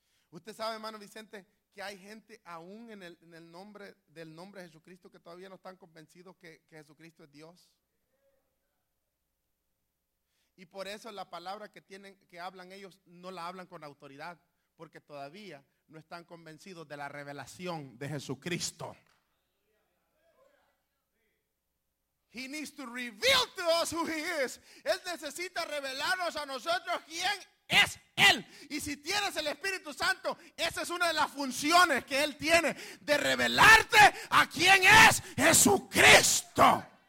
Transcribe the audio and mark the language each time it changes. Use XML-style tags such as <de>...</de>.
<es>Usted sabe, hermano Vicente, que hay gente aún en el nombre de Jesucristo que todavía no están convencidos que Jesucristo es Dios. Y por eso la palabra que hablan ellos no la hablan con autoridad, porque todavía no están convencidos de la revelación de Jesucristo.</es> <en>He needs to reveal to us who he is.</en> <es>Él necesita revelarnos a nosotros quién es Él. Y si tienes el Espíritu Santo, esa es una de las funciones que Él tiene, de revelarte a quién es Jesucristo.</es>